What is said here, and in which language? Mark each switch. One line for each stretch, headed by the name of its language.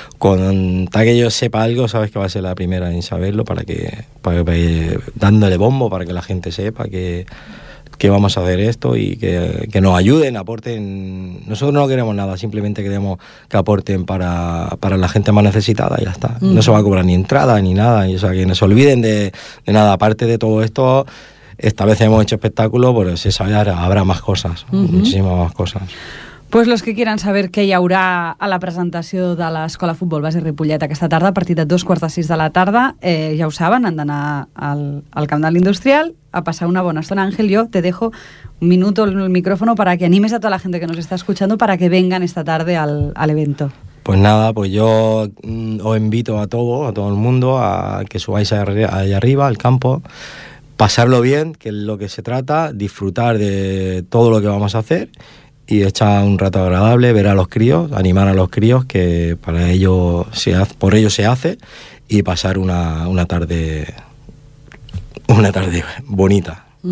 Spanish: Tal que yo sepa algo, sabes que va a ser la primera en saberlo, para que dándole bombo, para que la gente sepa que vamos a hacer esto y que nos ayuden, aporten. Nosotros no queremos nada, simplemente queremos que aporten para la gente más necesitada y ya está. No se va a cobrar ni entrada ni nada, y, o sea, que no se olviden de nada. Aparte de todo esto, esta vez hemos hecho espectáculo, pero se sabe, habrá más cosas, muchísimas más cosas. Pues los que quieran saber
Catalan: què hi haurà a la presentació de l'Escola Futbol Base Ripollet aquesta tarda, a partir de 5:45 de la tarda, ja ho saben, han d'anar al Camp de l'Industrial a passar una bona estona.
Spanish: Ángel, jo te dejo un minuto el micrófono para que animes a toda la gente que nos está escuchando para que vengan esta tarde al evento. Pues nada, pues yo os invito a todo el mundo, a que subáis allá arriba, al campo, pasarlo bien, que es lo que se trata, disfrutar de todo lo que vamos a hacer y echar un rato agradable, ver a los críos, animar a los críos, que para ellos por ellos se hace, y pasar una tarde bonita.